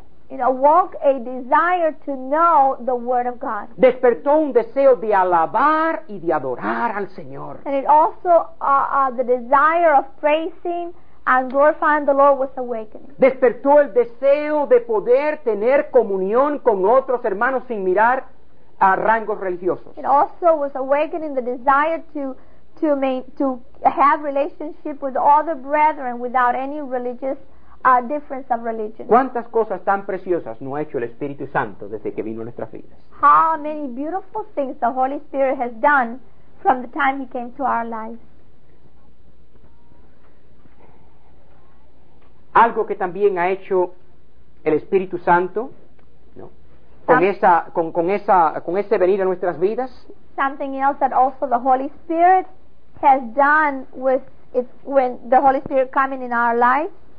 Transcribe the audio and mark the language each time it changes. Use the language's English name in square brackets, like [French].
[English] It awoke a desire to know the word of God. [Spanish] Despertó un deseo de alabar y de adorar al Señor. [English] And it also the desire of praising and glorifying the Lord was awakened. [Spanish] Despertó el deseo de poder tener comunión con otros hermanos sin mirar a rangos religiosos. [English] It also was awakening the desire to have relationship with other brethren without any religious a difference of religion. [Spanish] ¿Cuántas cosas tan preciosas no ha hecho el Espíritu Santo desde que vino a nuestras vidas? [English] How many beautiful things the Holy Spirit has done from the time he came to our lives. [Spanish] Algo que también ha hecho el Espíritu Santo, ¿no? Con ese venir a nuestras vidas. [English] Something else that also the Holy Spirit has done with it, when the Holy Spirit coming in our lives.